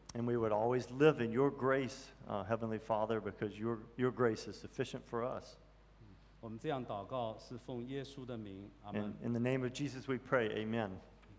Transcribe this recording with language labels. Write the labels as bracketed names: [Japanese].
[English] And we would always live in your grace, Heavenly Father, because your grace is sufficient for us. [Chinese] 我们这样祷告是奉耶稣的名，阿门。 [English] In the name of Jesus, we pray. Amen.